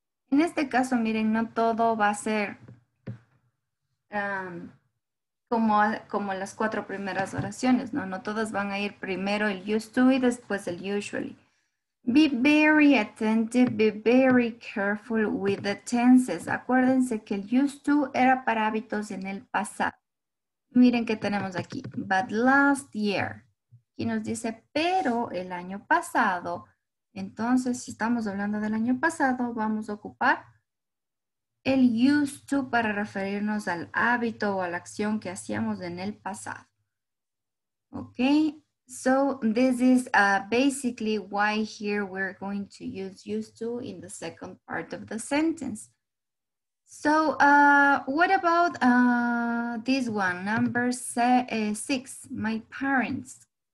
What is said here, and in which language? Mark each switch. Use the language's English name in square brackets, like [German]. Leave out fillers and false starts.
[Spanish] En este caso, miren, no todo va a ser como las cuatro primeras oraciones, ¿no? No todas van a ir primero el used to y después el usually. [English] Be very attentive, be very careful with the tenses. [Spanish] Acuérdense que el used to era para hábitos en el pasado. Miren qué tenemos aquí. But last year. Y nos dice, pero el año pasado... Entonces, si estamos hablando del año pasado, vamos a ocupar el used to para referirnos al hábito o a la acción que hacíamos en el pasado. [English] Okay, so this is basically why here we're going to use used to in the second part of the sentence. So, what about this one, number six, my parents.